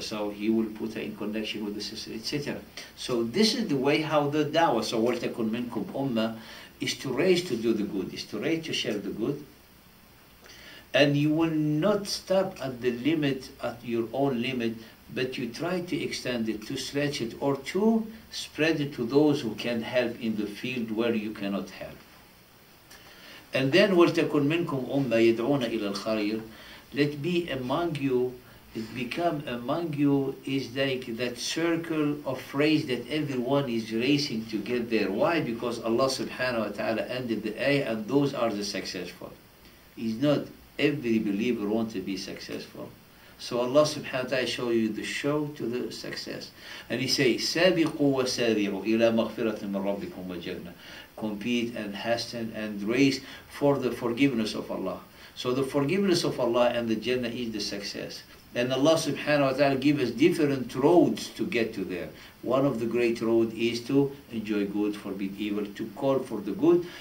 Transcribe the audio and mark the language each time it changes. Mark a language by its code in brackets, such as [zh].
[en] So he will put her in connection with the sister, etc. So this is the way how the da'wah, so [ar] waltakun minkum umma, [en] is to raise to do the good, is to raise to share the good. And you will not stop at the limit, at your own limit, but you try to extend it, to stretch it, or to spread it to those who can help in the field where you cannot help. And then, [ar] وَلْتَكُنْ مِنْكُمْ أُمَّا يَدْعُونَ إِلَى الْخَيْرِ. [en] Let be among you, it become among you, is like that circle of phrase that everyone is racing to get there. Why? Because Allah subhanahu wa ta'ala ended the ayah, and those are the successful. It's not every believer wants to be successful. So Allah subhanahu wa ta'ala show you the show to the success. And he say, [ar] سَابِقُوا وَسَارِعُوا إِلَى مَغْفِرَةٍ مِنْ رَبِّكُمْ وَجَنَّةٍ. [en] Compete and hasten and race for the forgiveness of Allah. So the forgiveness of Allah and the Jannah is the success. And Allah subhanahu wa ta'ala give us different roads to get to there. One of the great roads is to enjoy good, forbid evil, to call for the good.